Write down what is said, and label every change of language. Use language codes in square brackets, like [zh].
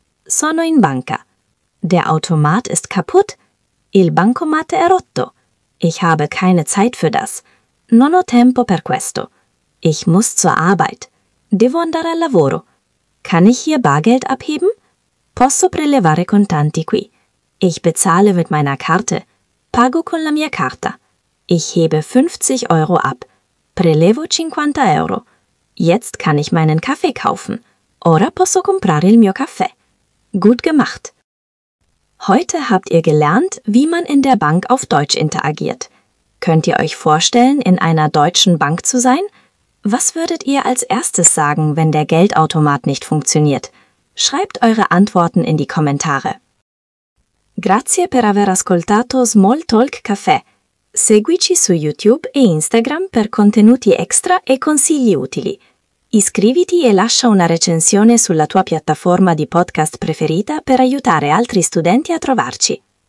[it] Sono in banca. [de] Der Automat ist kaputt. [it] Il bancomat è rotto. [de] Ich habe keine Zeit für das. [it] Non ho tempo per questo. [de] Ich muss zur Arbeit. [it] Devo andare al lavoro. [de] Kann ich hier Bargeld abheben? [it] Posso prelevare contanti qui. [de] Ich bezahle mit meiner Karte. [it] Pago con la mia carta. [de] Ich hebe 50 Euro ab. [it] Prelevo 50 euro. [de] Jetzt kann ich meinen Kaffee kaufen. [it] Ora posso comprare il mio caffè. [de] Gut gemacht. Heute habt ihr gelernt, wie man in der Bank auf Deutsch interagiert. Könnt ihr euch vorstellen, in einer deutschen Bank zu sein? Was würdet ihr als erstes sagen, wenn der Geldautomat nicht funktioniert? Schreibt eure Antworten in die Kommentare. [it] Grazie per aver ascoltato Small Talk Café. Seguici su YouTube e Instagram per contenuti extra e consigli utili. Iscriviti e lascia una recensione sulla tua piattaforma di podcast preferita per aiutare altri studenti a trovarci.